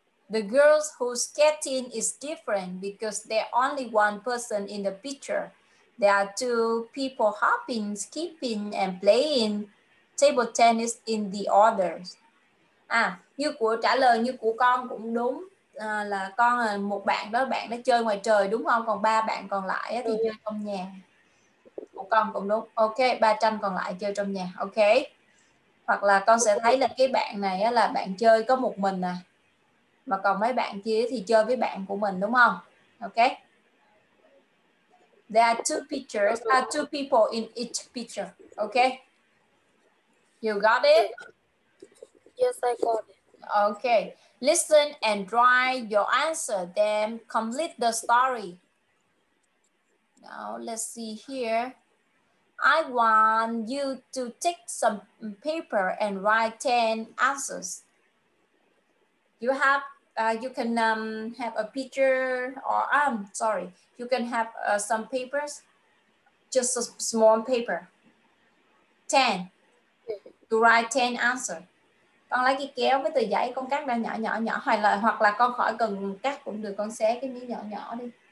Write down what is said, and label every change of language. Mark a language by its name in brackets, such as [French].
[English] The girls who skating is different because there's only one person in the picture. There are two people hopping, skipping, and playing table tennis in the others. [Vietnamese] À, như của trả lời như của con cũng đúng à, là con là một bạn đó, bạn đã chơi ngoài trời đúng không? Còn ba bạn còn lại thì chơi trong nhà. Của con cũng đúng. Ok, ba Tranh còn lại chơi trong nhà. Ok. Hoặc là con sẽ thấy là cái bạn này là bạn chơi có một mình à. Mà còn mấy bạn kia thì chơi với bạn của mình đúng không? [English] Okay. There are two pictures, are two people in each picture. Okay. You got it? Yes, I got it. Okay. Listen and write your answer, then complete the story. Now, let's see here. I want you to take some paper and write 10 answers. You can have a picture or you can have some papers, just a small paper. 10. To write 10 answer. [Vietnamese] Con lấy cái kéo với tờ giấy con cắt ra nhỏ nhỏ nhỏ hoặc là con khỏi cần cắt cũng được, con xé cái miếng nhỏ nhỏ đi.